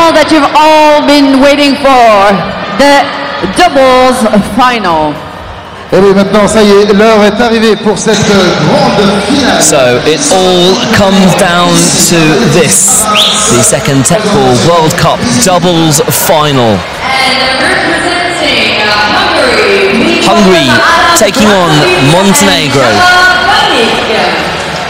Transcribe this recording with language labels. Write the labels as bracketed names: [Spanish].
[English] You've all been waiting for the doubles final. [French] Et maintenant, ça y est, l'heure est arrivée pour cette grande finale. [English] So it all comes down to this, the second Teqball World Cup doubles final. Hungary taking on Montenegro.